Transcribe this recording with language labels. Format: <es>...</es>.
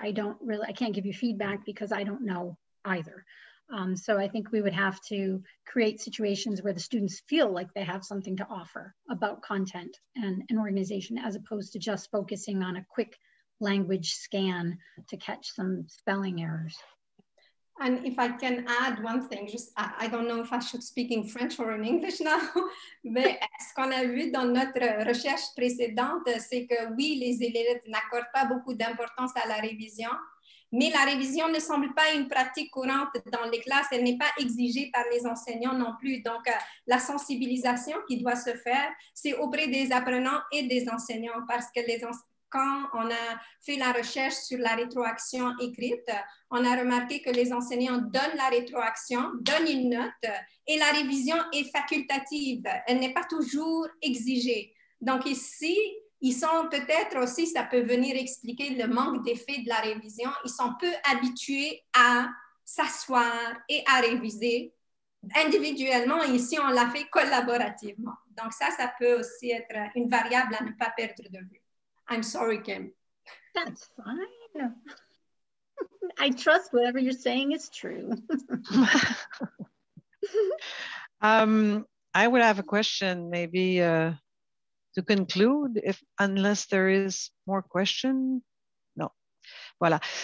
<en>I can't give you feedback because I don't know either. So I think we would have to create situations where the students feel like they have something to offer about content and an organization, as opposed to just focusing on a quick language scan to catch some spelling errors. And if I can add one thing, just I don't know if I should speak in French or in English now,</en> <fr>mais ce qu'on a vu dans notre recherche précédente, c'est que oui, les élèves n'accordent pas beaucoup d'importance à la révision, mais la révision ne semble pas une pratique courante dans les classes, elle n'est pas exigée par les enseignants non plus. Donc, la sensibilisation qui doit se faire, c'est auprès des apprenants et des enseignants, parce que quand on a fait la recherche sur la rétroaction écrite, on a remarqué que les enseignants donnent la rétroaction, donnent une note, et la révision est facultative. Elle n'est pas toujours exigée. Donc ici, ils sont peut-être aussi, ça peut venir expliquer le manque d'effet de la révision, ils sont peu habitués à s'asseoir et à réviser individuellement. Ici, on l'a fait collaborativement. Donc ça peut aussi être une variable à ne pas perdre de vue.</fr> <en>I'm sorry, Kim. That's fine. I trust whatever you're saying is true. I would have a question maybe to conclude, unless there is more question. No. Voilà.</en>